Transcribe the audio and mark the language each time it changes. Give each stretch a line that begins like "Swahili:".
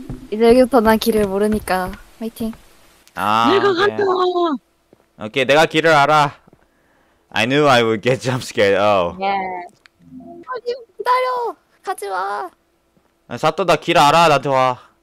Korean: 이제 여기서 난 길을 모르니까, 화이팅. 아, 내가 간다! 오케이, 내가 길을 알아.
English: I knew I would get jump scared, oh.
Korean: Yeah. 아니, 기다려! 가지 마! 사또, 나 길 알아, 나한테 와.